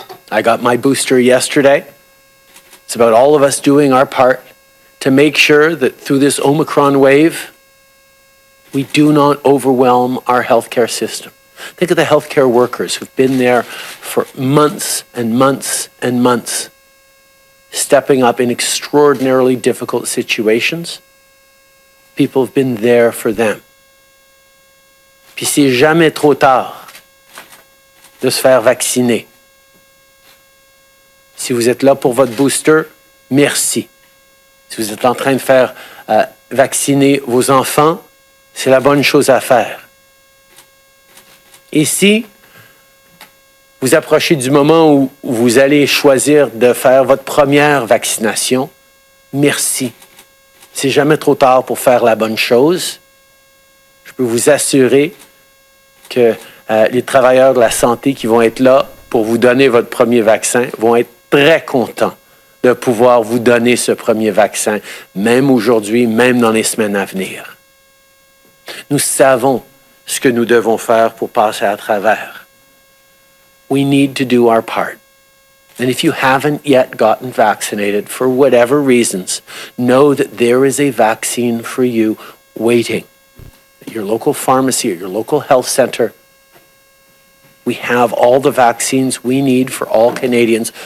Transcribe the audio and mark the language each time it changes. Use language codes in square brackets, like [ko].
[en] I got my booster yesterday. It's about all of us doing our part to make sure that through this Omicron wave, we do not overwhelm our healthcare system. Think of the healthcare workers who've been there for months and months and months, stepping up in extraordinarily difficult situations. People have been there for them. [fr] Puis c'est jamais trop tard de se faire vacciner. Si vous êtes là pour votre booster, merci. Si vous êtes en train de faire vacciner vos enfants, c'est la bonne chose à faire. Et si vous approchez du moment où vous allez choisir de faire votre première vaccination, merci. C'est jamais trop tard pour faire la bonne chose. Je peux vous assurer que les travailleurs de la santé qui vont être là pour vous donner votre premier vaccin vont être très contents de pouvoir vous donner ce premier vaccin, même aujourd'hui, même dans les semaines à venir. Nous savons ce que nous devons faire pour passer à travers. [en] We need to do our part. And if you haven't yet gotten vaccinated for whatever reasons, know that there is a vaccine for you waiting. your local pharmacy or your local health center. We have all the vaccines we need for all Canadians.